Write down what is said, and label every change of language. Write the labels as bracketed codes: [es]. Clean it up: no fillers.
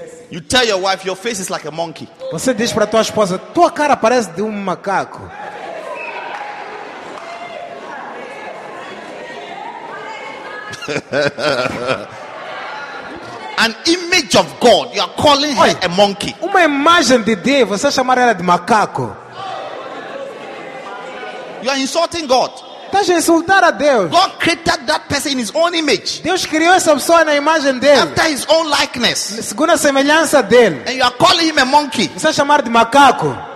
[en] You tell your wife your face is like a monkey. [pt] Você diz para tua esposa, tua cara parece de um macaco. [en] An image of God, you are calling her a monkey. [pt] Uma imagem de Deus, você chama ela de macaco. [en] You are insulting God. [pt] Estás a insultar a Deus. [en] God created that person in His own image. [pt] Deus criou essa pessoa na imagem dele. [en] After His own likeness. [pt] Segundo a semelhança dele. [en] And you are calling him a monkey. [pt] Você chama de macaco.